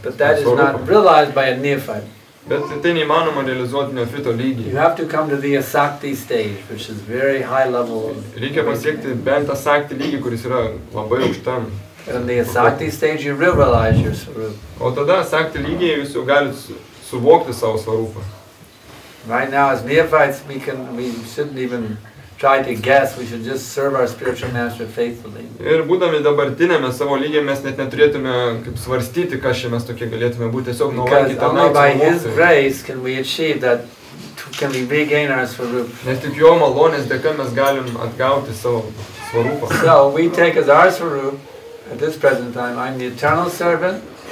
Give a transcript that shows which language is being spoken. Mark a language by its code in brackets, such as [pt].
[en] But that is not realized by a neophyte. [lt] Bet tai neįmanoma realizuoti neofito lygį. [en] You have to come to the asakti stage, which is very high level. [lt] Reikia pasiekti bent asakti lygį, kuris yra labai aukštam. [en] And the asakti stage you realize your svarupa. [lt] O tada asakti lygį jūs jau galite suvokti savo svarupą. [en] Right now as neophytes we shouldn't even try to guess, we should just serve our spiritual master faithfully. [lt] Ir būdami dabartinėme savo lygyje, mes net neturėtume kaip svarstyti, kas čia mes tokie galėtume būti, tiesiog nuolankiai tarnauti. [en] Because only by his grace can we achieve that, can we regain our svarupa. [lt] Nes tik jo malonės dėka mes galim atgauti savo svarupą. [en] So we take as our svarupa, at this present time, I'm the eternal servant.